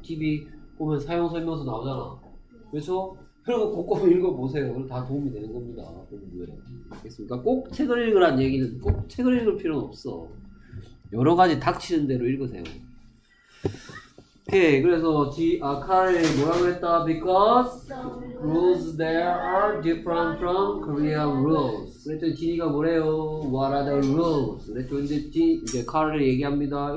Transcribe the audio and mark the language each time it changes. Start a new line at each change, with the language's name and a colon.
Korean: TV 보면 사용 설명서 나오잖아. 그렇죠? 그러면 곰곰이 읽어보세요. 그럼 다 도움이 되는 겁니다. 공부에. 알겠습니까? 꼭 책을 읽으란 얘기는 꼭 책을 읽을 필요는 없어. 여러 가지 닥치는 대로 읽으세요. 오케이. 그래서 카레 뭐라고 했다?
English: Because rules there are different from Korean rules.
Korean: 그랬더니 지니가 뭐래요?
English: What are the rules?
Korean: 그랬더니 이제 카레를 얘기합니다.